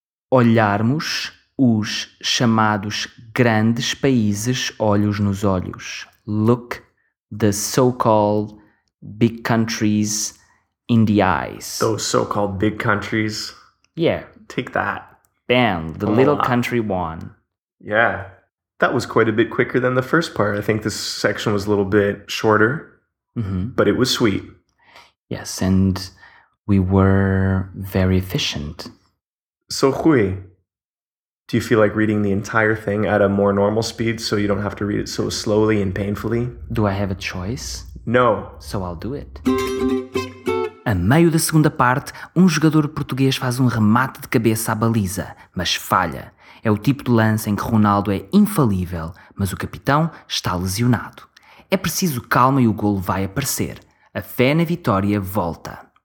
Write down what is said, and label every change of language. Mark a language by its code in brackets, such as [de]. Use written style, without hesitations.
[pt] Olharmos os chamados grandes países olhos nos olhos. [en] Look the so-called big countries in the eyes. Those so-called big countries. Yeah. Take that. Bam, the little country won. Yeah. That was quite a bit quicker than the first part. I think this section was a little bit shorter, but it was sweet. Yes, and we were very efficient. So, Rui, do you feel like reading the entire thing at a more normal speed so you don't have to read it so slowly and painfully? Do I have a choice? No. So I'll do it. [pt] A meio da segunda parte, jogador português faz remate de cabeça à baliza, mas falha. É o tipo de lance em que Ronaldo é infalível, mas o capitão está lesionado. É preciso calma e o golo vai aparecer. A fé na vitória volta.